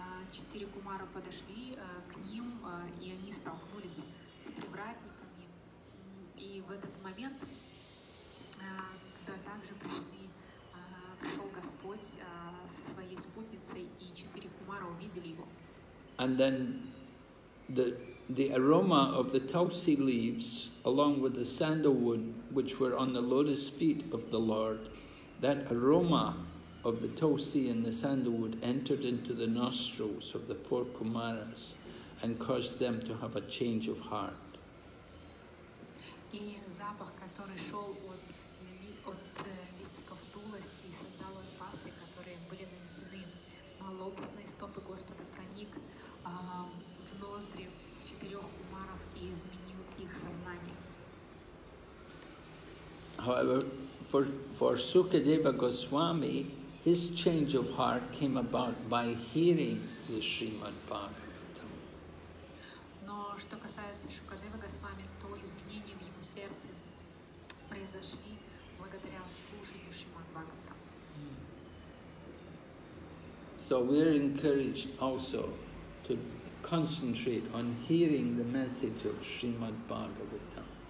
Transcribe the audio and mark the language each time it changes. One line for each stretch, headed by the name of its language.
Russian: Четыре кумара подошли к ним, и они столкнулись с привратниками. И в этот момент туда также пришел Господь со своей спутницей, и четыре кумара увидели его.
English: And then the aroma of the tulsi leaves, along with the sandalwood, which were on the lotus feet of the Lord, that aroma of the tulsi and the sandalwood entered into the nostrils of the four Kumaras and caused them to have a change of heart.
Russian: И запах, который шел от листиков тулости и сандаловой пасты, которые были нанесены на лотосные стопы Господа, проник в ноздри четырех кумаров и изменил их сознание.
English: However, for Sukadeva Goswami, his change of heart came about by hearing the Srimad Bhagavatam.
Russian: Но что касается Шукадевы Госвами, то изменения в его сердце произошли благодаря слушанию Шримад Бхагаватам.
English: So we are encouraged also to concentrate on hearing the message of Srimad Bhagavatam.